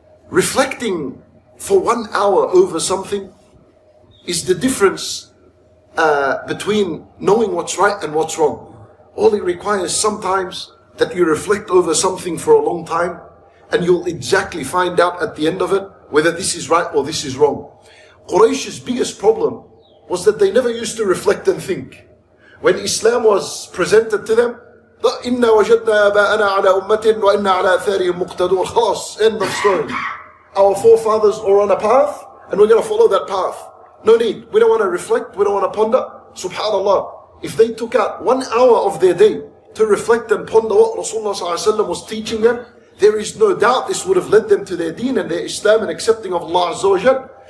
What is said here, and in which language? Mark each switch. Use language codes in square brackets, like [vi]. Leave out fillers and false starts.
[en] Reflecting for 1 hour over something is the difference between knowing what's right and what's wrong. All it requires sometimes that you reflect over something for a long time and you'll exactly find out at the end of it whether this is right or this is wrong. Quraysh's biggest problem was that they never used to reflect and think. When Islam was presented to them, [ar] إِنَّا وَجَدْنَا أَبَاءَنَا عَلَىٰ أُمَّةٍ وَإِنَّا عَلَىٰ أَثَارِهِمْ مُقْتَدُونَ. [en] خلاص, end of story. Our forefathers are on a path, and we're going to follow that path. No need. We don't want to reflect, we don't want to ponder. SubhanAllah. If they took out 1 hour of their day to reflect and ponder what Rasulullah Sallallahu Alaihi Wasallam was teaching them, there is no doubt this would have led them to their deen and their Islam and accepting of Allah Azza wa Jal.